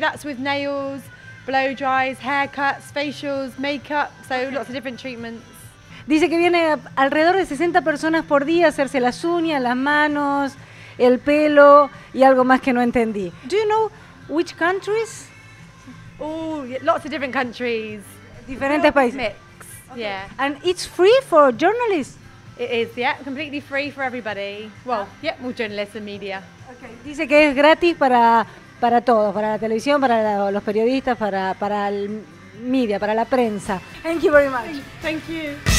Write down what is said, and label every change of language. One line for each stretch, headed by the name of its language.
English: That's with nails, blow dries, haircuts, facials, makeup. So lots of different treatments.
Spanish: Dice que viene alrededor de 60 personas por día a hacerse las uñas, las manos, el pelo y algo más que no entendí.
English: Do you know which countries? Oh, lots of different countries.
Spanish: Diferentes países.
English: Mix. Okay. Yeah. And it's free for journalists? It is, yeah. Completely free for everybody. Well, yeah, more journalists and media. Okay.
Spanish: Dice que es gratis para todos, para la televisión, para los periodistas, para el media, para la prensa.
English: Thank you very much. Thank you.